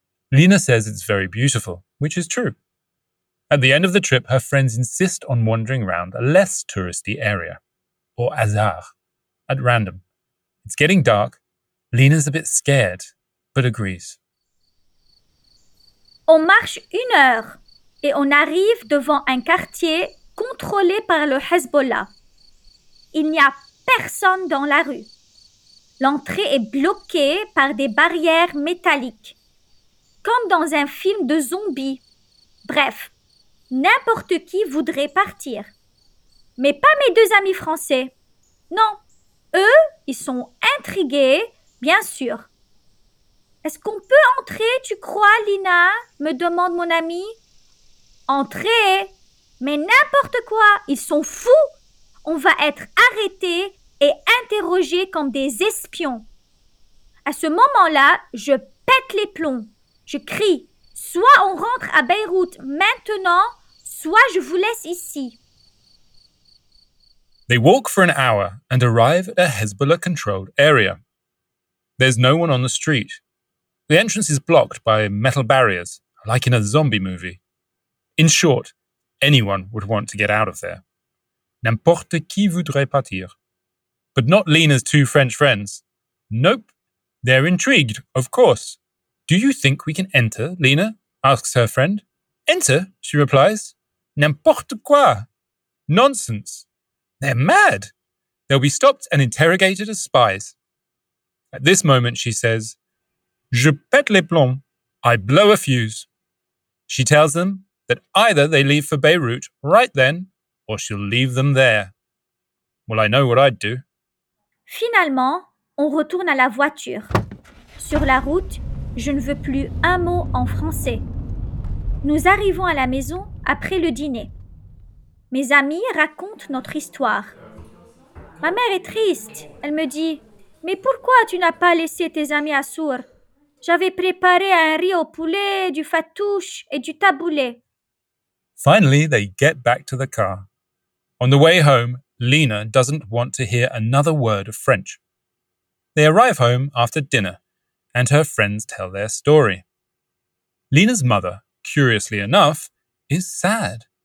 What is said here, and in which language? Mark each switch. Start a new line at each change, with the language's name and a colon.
English: Lina says it's very beautiful, which is true. At the end of the trip, her friends insist on wandering around a less touristy area, or azar, at random. It's getting dark. Lina's a bit scared, but agrees.
French: On marche une heure et on arrive devant un quartier contrôlé par le Hezbollah. Il n'y a personne dans la rue. L'entrée est bloquée par des barrières métalliques, comme dans un film de zombies. Bref, n'importe qui voudrait partir. Mais pas mes deux amis français. Non, eux, ils sont intrigués, bien sûr. Est-ce qu'on peut entrer, tu crois, Lina ? Me demande mon amie. Entrer ? Mais n'importe quoi, ils sont fous ! On va être arrêtés et interrogés comme des espions. À ce moment-là, je pète les plombs. Je crie, soit on rentre à Beyrouth maintenant, soit je vous laisse ici.
English: They walk for an hour and arrive at a Hezbollah-controlled area. There's no one on the street. The entrance is blocked by metal barriers, like in a zombie movie. In short, anyone would want to get out of there.
French: N'importe qui voudrait partir.
English: But not Lina's two French friends. Nope, they're intrigued, of course. Do you think we can enter, Lina? Asks her friend. Enter, she replies.
French: N'importe quoi.
English: Nonsense. They're mad. They'll be stopped and interrogated as spies. At this moment, she says,
French: Je pète les plombs.
English: I blow a fuse. She tells them that either they leave for Beirut right then, or she'll leave them there. Well, I know what I'd do.
French: Finalement, on retourne à la voiture. Sur la route, je ne veux plus un mot en français. Nous arrivons à la maison après le dîner. Mes amis racontent notre histoire. Ma mère est triste. Elle me dit, « Mais pourquoi tu n'as pas laissé tes amis à Sour ? J'avais préparé un riz au poulet, du fatouche et du taboulé. »
English: Finally, they get back to the car. On the way home, Lina doesn't want to hear another word of French. They arrive home after dinner, and her friends tell their story. Lina's mother, curiously enough, is sad.